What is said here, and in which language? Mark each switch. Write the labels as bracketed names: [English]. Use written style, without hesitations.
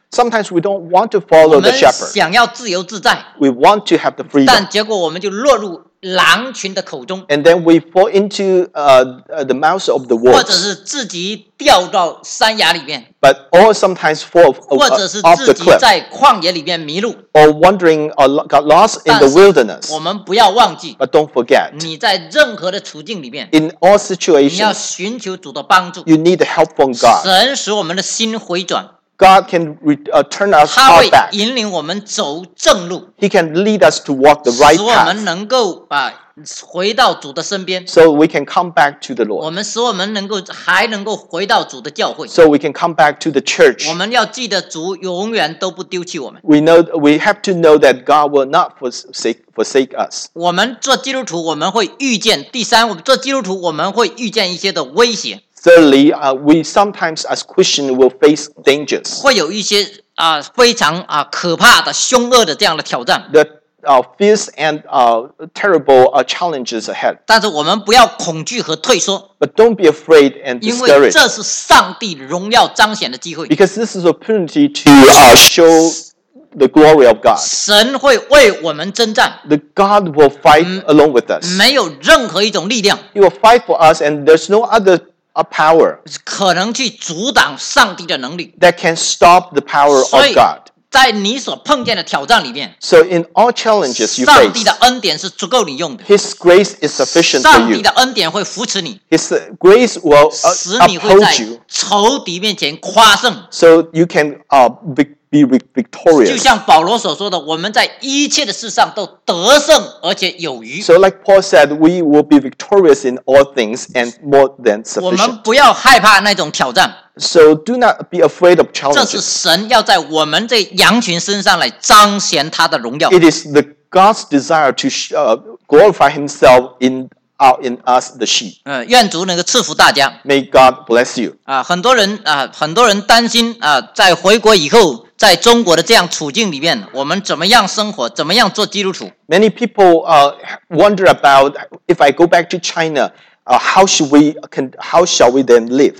[English] Sometimes we don't want to follow the shepherd. [Chinese] 我们想要自由自在。 [English] We want to have the freedom. [Chinese] 但结果我们就落入狼群的口中。 [English] And then we fall into the mouth of the wolves. [Chinese] 或者是自己掉到山崖里面。 [English] But or sometimes fall off the cliff. [Chinese] 或者是自己在旷野里面迷路。 [English] Or wandering or got lost in the wilderness. [Chinese] 我们不要忘记。 [English] But don't forget. [Chinese] 你在任何的处境里面。 [English] In all situations. [Chinese] 你要寻求主的帮助。 [English] You need help from God. [Chinese] 神使我们的心回转。 [English] God can turn us heart back. [Chinese] 他会引领我们走正路。 [English] He can lead us to walk the right path. [Chinese] 使我们能够回到主的身边。 [English] So we can come back to the Lord. [Chinese] 我们使我们能够还能够回到主的教会。 [English] So we can come back to the church. [Chinese] 我们要记得主永远都不丢弃我们。 [English] We know we have to know that God will not forsake us. [Chinese] 我们做基督徒，我们会遇见第三，我们做基督徒，我们会遇见一些的威胁。 [English] Thirdly, we sometimes as Christians will face dangers. [Chinese] 会有一些非常可怕的、凶恶的这样的挑战。 [English] The fierce and terrible challenges ahead. [Chinese] 但是我们不要恐惧和退缩。 [English] But don't be afraid and discouraged. [Chinese] 因为这是上帝荣耀彰显的机会。 [English] Because this is an opportunity to show the glory of God. [Chinese] 神会为我们征战。 [English] The God will fight along with us. [Chinese] 没有任何一种力量。 [English] He will fight for us, and there's no other. A power [Chinese] 可能去阻挡上帝的能力 [English] that can stop the power of God. [Chinese] 在你所碰见的挑战里面 [English] so in all challenges you face, [Chinese] 上帝的恩典是足够你用的 [English] His grace is sufficient for you. [Chinese] 上帝的恩典会扶持你 [English] His grace will uphold you. [Chinese] 仇敌面前夸胜 [English] so you can be victorious. [Chinese] 就像保罗所说的，我们在一切的事上都得胜，而且有余。 [English] So like Paul said, we will be victorious in all things and more than sufficient. [Chinese] 我们不要害怕那种挑战。 [English] So do not be afraid of challenges. [Chinese] 这是神要在我们这羊群身上来彰显他的荣耀。 [English] It is the God's desire to glorify himself in us, the sheep. [Chinese] 愿主能够赐福大家。 [English] May God bless you. [Chinese] 很多人担心在回国以后在中国的这样处境里面，我们怎么样生活？怎么样做基督徒 [English] ？Many people wonder about if I go back to China, how shall we then live?